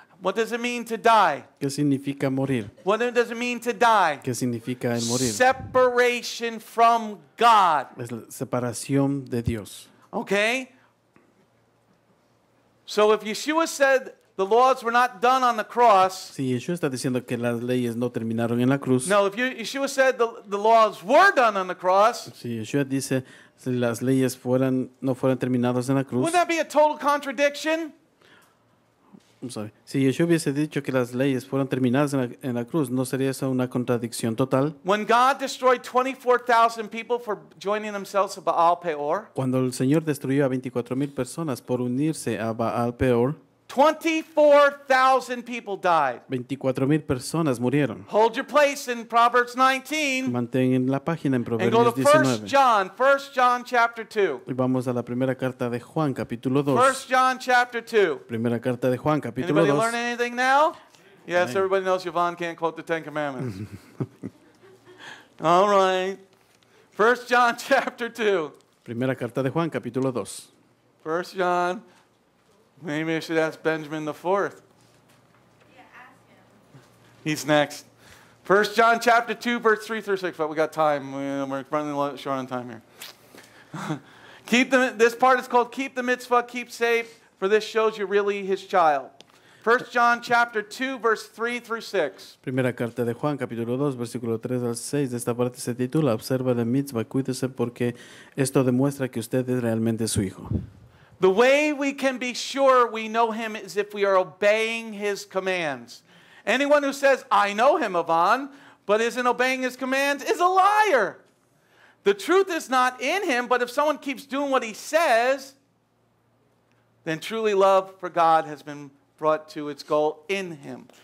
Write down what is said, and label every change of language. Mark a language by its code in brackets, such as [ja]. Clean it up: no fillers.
[en] What does it mean to die? [es] ¿Qué significa morir? [en] What does it mean to die? [es] ¿Qué significa el morir? [en] Separation from God. [es] Es la separación de Dios. [en] Okay? So if Yeshua said the laws were not done on the cross, [es] si Yeshua está diciendo que las leyes no terminaron en la cruz, [en] no, if Yeshua said the laws were done on the cross, [es] si Yeshua dice si las leyes fueran, no fueran terminadas en la cruz, [en] wouldn't that be a total contradiction? [es] Si Yeshua hubiese dicho que las leyes fueron terminadas en la cruz, ¿no sería eso una contradicción total? [en] When God destroyed 24,000 people for joining themselves to Baal Peor, [es] cuando el Señor destruyó a 24,000 personas por unirse a Baal Peor, [en] 24,000 people died. [es] 24,000 personas murieron. [en] Hold your place in Proverbs 19. [es] Mantén en la página en Proverbios [en] 19. And go to 1 John, 1 John chapter 2. [es] Y vamos a la primera carta de Juan, capítulo 2. [en] 1 John chapter 2. [es] Primera carta de Juan, capítulo 2. [en] Anybody learn anything now? Yes, amen. Everybody knows Yvonne can't quote the Ten Commandments. All right. 1 John chapter 2. [es] Primera carta de Juan, capítulo 2. [en] 1 John. Maybe I should ask Benjamin the fourth. Yeah, ask him. He's next. 1 John chapter 2, verse 3 through 6. But we got time. We're running short on time here. Keep the, this part is called Keep the Mitzvah, Keep Safe, for this shows you're really his child. 1 John chapter 2, verse 3 through 6. [es] Primera carta de Juan, capítulo 2, versículo 3 al 6. Esta parte se titula Observa la Mitzvah, cuídese porque esto demuestra que usted es realmente su hijo. [en] The way we can be sure we know him is if we are obeying his commands. Anyone who says, I know him, Avon, but isn't obeying his commands is a liar. The truth is not in him, but if someone keeps doing what he says, then truly love for God has been brought to its goal in him.